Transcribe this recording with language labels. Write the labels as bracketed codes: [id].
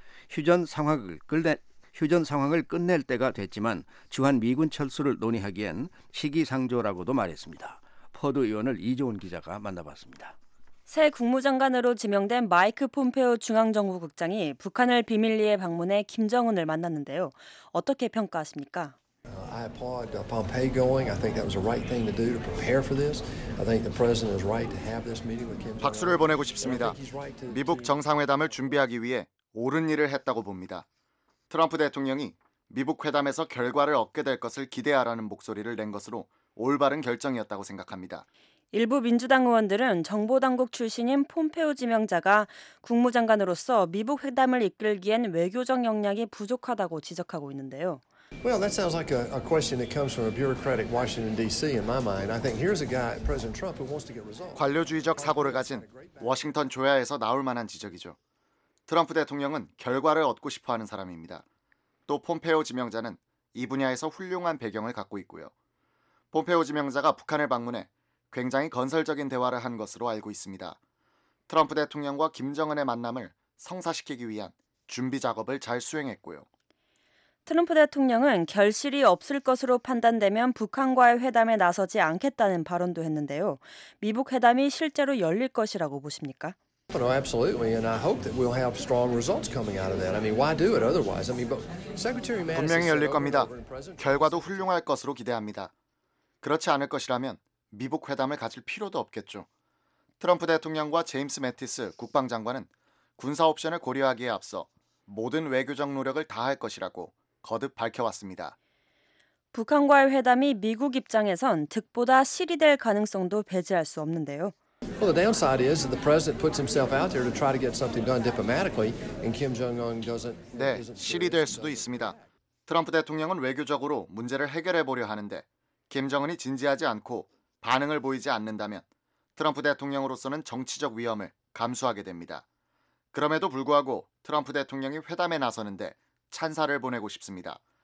[ko] 휴전 상황을 끝낼 때가 됐지만 주한 미군 철수를 논의하기엔 시기상조라고도 말했습니다. 퍼드 의원을 이종훈 기자가 만나봤습니다. 새 국무장관으로 지명된 마이크 폼페오 중앙정보국장이 북한을 비밀리에 방문해 김정은을 만났는데요. 어떻게 평가하십니까? [en] I applaud Pompeo going. I think that was the right thing to do to prepare for this. I think the president is right to have this meeting with Kim. [ko] 박수를 보내고 싶습니다. 미북 정상회담을 준비하기 위해 옳은 일을 했다고 봅니다. 트럼프 대통령이 미북 회담에서 결과를 얻게 될 것을 기대하라는 목소리를 낸 것으로 올바른 결정이었다고 생각합니다. 일부 민주당 의원들은 정보당국 출신인 폼페오 지명자가 국무장관으로서 미북 회담을 이끌기엔 외교적 역량이 부족하다고 지적하고 있는데요. [en] Well, that sounds like a question that comes from a bureaucratic Washington D.C. in my mind. I think here's a guy, President Trump, who wants to get results. [ko] 관료주의적 사고를 가진 워싱턴 조야에서 나올 만한 지적이죠. 트럼프 대통령은 결과를 얻고 싶어하는 사람입니다. 또 폼페오 지명자는 이 분야에서 훌륭한 배경을 갖고 있고요. 폼페오 지명자가 북한을 방문해 굉장히 건설적인 대화를 한 것으로 알고 있습니다. 트럼프 대통령과 김정은의 만남을 성사시키기 위한 준비 작업을 잘 수행했고요. 트럼프 대통령은 결실이 없을 것으로 판단되면 북한과의 회담에 나서지 않겠다는 발언도 했는데요. 미북 회담이 실제로 열릴 것이라고 보십니까? [en] No, absolutely, and I hope that we'll have strong results coming out of that. I mean, why do it otherwise? I mean, but Secretary Mattis. [ko] 분명히 열릴 겁니다. 결과도 훌륭할 것으로 기대합니다. 그렇지 않을 것이라면 미북 회담을 가질 필요도 없겠죠. 트럼프 대통령과 제임스 매티스 국방장관은 군사 옵션을 고려하기에 앞서 모든 외교적 노력을 다할 것이라고 거듭 밝혀왔습니다. 북한과의 회담이 미국 입장에선 득보다 실이 될 가능성도 배제할 수 없는데요. [en] Well, the downside is that the president puts himself out there to try to get something done diplomatically, and Kim Jong-un doesn't. [ko] 네, 실이 될 수도 있습니다. 트럼프 대통령은 외교적으로 문제를 해결해 보려 하는데 김정은이 진지하지 않고 반응을 보이지 않는다면 트럼프 대통령으로서는 정치적 위험을 감수하게 됩니다. 그럼에도 불구하고 트럼프 대통령이 회담에 나서는데 찬사를 보내고 싶습니다.